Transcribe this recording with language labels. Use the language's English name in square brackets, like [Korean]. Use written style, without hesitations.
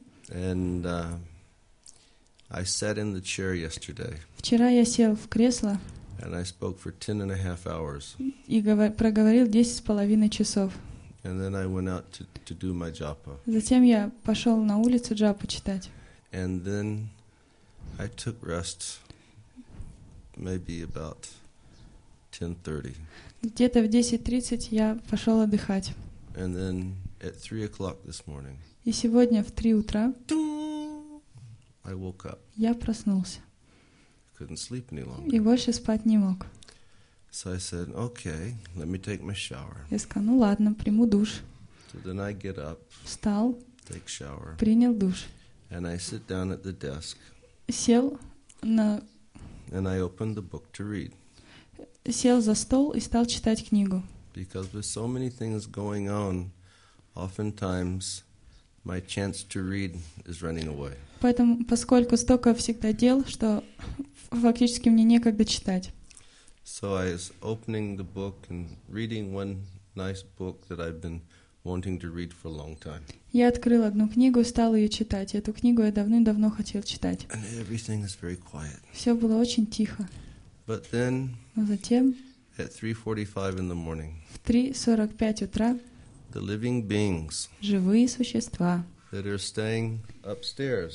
[English] And I sat in the chair yesterday. [Russian] Вчера я сел в кресло. [English] And I spoke for 10.5 hours. [Russian] И проговорил 10.5 часов. [English] And then I went out to do my japa. [Russian] Затем я пошел на улицу джапу читать. [English] And then I took rest maybe about 10:30. [Russian] Где-то в 10:30 я пошел отдыхать. [English] And then at 3 o'clock this morning. [Russian] И сегодня в 3 утра. [English] I woke up. [Russian] Я проснулся. [English] Couldn't sleep any longer. [Russian] И больше спать не мог. [English] So I said, okay, let me take my shower. [Russian] Я сказал, ну ладно, приму душ. [English] So then I get up. [Russian] Встал. [English] Take shower. [Russian] Принял душ. [English] And I sit down at the desk. [Russian] Сел на. [English] And I opened the book to read. [Russian] Сел за стол и стал читать книгу. [English] Because with so many things going on, oftentimes my chance to read is running away. [Russian] Поэтому, поскольку столько всегда дел, что фактически мне некогда читать. [English] So I was opening the book and reading one nice book that I've been wanting to read for a long time. [Russian] Я открыл одну книгу, стал ее читать. Эту книгу я давным-давно хотел читать. [English] And everything is very quiet. [Russian] Все было очень тихо. [English] But then, [Russian] но затем, [English] at 3:45 in the morning, [Russian] в 3:45 утра, [English] the living beings, [Russian] живые существа, [English] that are staying upstairs,